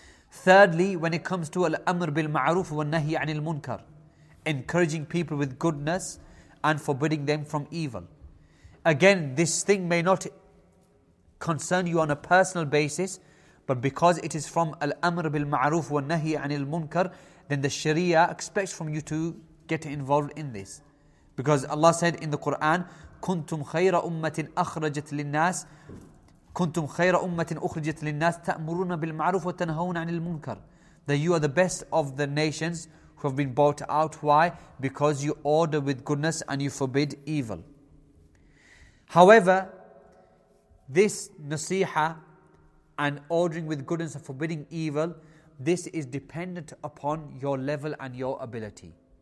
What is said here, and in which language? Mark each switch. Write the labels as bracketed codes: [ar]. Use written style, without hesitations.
[en] Thirdly, when it comes to [ar] al-amr bil ma'ruf wa nahi anil munkar, [en] encouraging people with goodness and forbidding them from evil. Again, this thing may not concern you on a personal basis, but because it is from [ar] al-amr bil ma'ruf wa nahi anil munkar, [en] then the sharia expects from you to get involved in this. Because Allah said in the Quran, [ar] كنتم خير أمة أخرجت للناس كنتم خير أمة أخرجت للناس تأمرون بالمعروف وتنهون عن المنكر. [en] That you are the best of the nations who have been brought out. Why? Because you order with goodness and you forbid evil. However, this nasiha and ordering with goodness and forbidding evil, this is dependent upon your level and your ability.